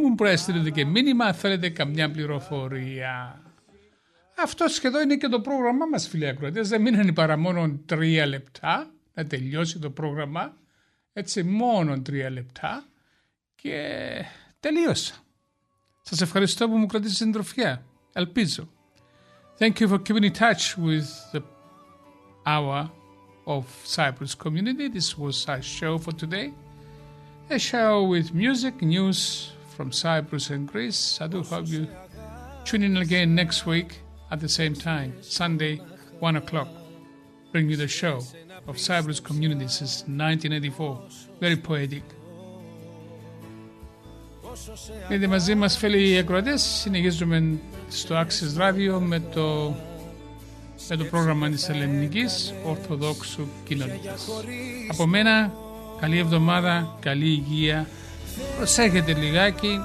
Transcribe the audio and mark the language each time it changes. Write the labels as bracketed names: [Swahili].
[Greek] Μπορείτε να στείλετε και μήνυμα, θέλετε καμιά πληροφορία. Αυτό σχεδόν είναι και το πρόγραμμά μας, φίλοι ακροατές. Δεν μείναν παρά μόνο 3 λεπτά να τελειώσει το πρόγραμμα. Έτσι, μόνο 3 λεπτά και τελείωσα. Σας ευχαριστώ που μου κρατήσατε την συντροφιά. Ελπίζω. [English] Thank you for keeping in touch with the hour of Cyprus Community. This was our show for today. A show with music, news from Cyprus and Greece. I do hope you tune in again next week at the same time, Sunday, 1 o'clock. Bring you the show of Cyprus Community since 1984. Very poetic. [Greek] Είστε μαζί μας, φίλοι ακροατές. Συνεχίζουμε στο Access Radio με το πρόγραμμα της Ελληνικής Ορθοδόξου Κοινωνίας. Από μένα, καλή εβδομάδα, καλή υγεία. Προσέχετε λιγάκι.